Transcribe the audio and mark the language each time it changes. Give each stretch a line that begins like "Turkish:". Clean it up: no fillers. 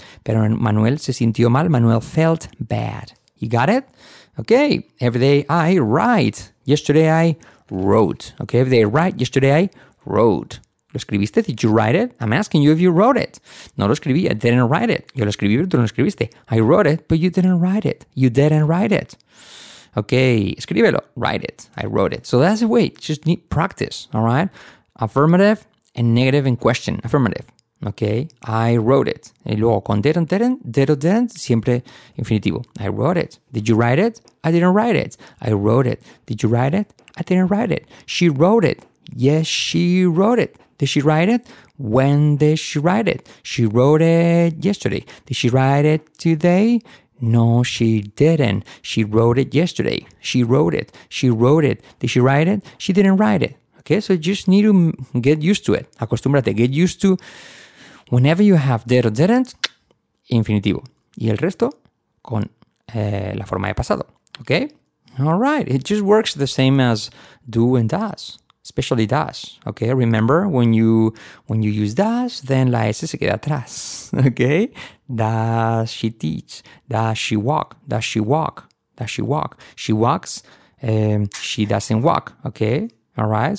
Spanish: Pero Manuel se sintió mal,
English: Manuel felt bad. You got it? Okay, every day I write. Yesterday I wrote. Okay, every day I write, yesterday I wrote.
Spanish: ¿Lo escribiste?
English: Did you write it? I'm asking you if you wrote it.
Spanish: No lo escribí.
English: I didn't write it.
Spanish: Yo lo escribí, pero tú no lo escribiste.
English: I wrote it, but you didn't write it. You didn't write it. Okay, escríbelo. Write it. I wrote it. So that's the way. Just need practice, all right? Affirmative and negative in question. Affirmative. Okay, I wrote it.
Spanish: Y luego con didn't, siempre infinitivo.
English: I wrote it. Did you write it? I didn't write it. I wrote it. Did you write it? I didn't write it. She wrote it. Yes, she wrote it. Did she write it? When did she write it? She wrote it yesterday. Did she write it today? No, she didn't. She wrote it yesterday. She wrote it. She wrote it. Did she write it? She didn't write it. Okay, so you just need to get used to it. Acostúmbrate, get used to. Whenever you have did or didn't, infinitivo.
Spanish: Y el resto con la forma de pasado.
English: Okay? All right. It just works the same as do and does. Especially does. Okay? Remember, when you use does, then
Spanish: la S se queda atrás.
English: Okay? Does she teach? Does she walk? Does she walk? Does she walk? She walks. She doesn't walk. Okay? All right?